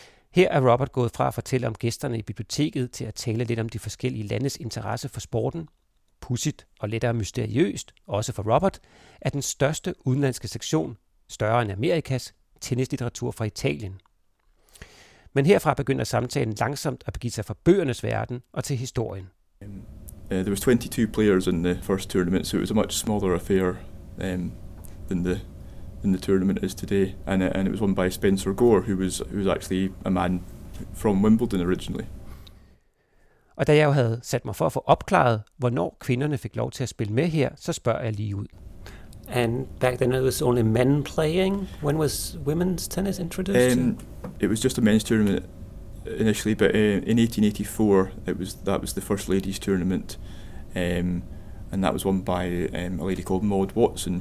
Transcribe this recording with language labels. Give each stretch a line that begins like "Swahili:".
Danish: Her er Robert gået fra at fortælle om gæsterne i biblioteket til at tale lidt om de forskellige landes interesse for sporten. Pudsigt og lettere mysteriøst, også for Robert, er den største udenlandske sektion, større end Amerikas, tennislitteratur fra Italien. Men herfra begynder samtalen langsomt at begive sig fra bøgernes verden og til historien.
English: There was 22 players in the first tournament, so it was a much smaller affair than the tournament is today, and it was won by Spencer Gore, who was actually a man from Wimbledon originally.
Danish: Og da jeg jo havde sat mig for at få opklaret, hvornår kvinderne fik lov til at spille med her, så spørger jeg lige ud.
English: And back then it was only men playing. When was women's tennis introduced? It was just a men's tournament initially, but in 1884 it was the first ladies' tournament. And that was won by a lady called Maud Watson.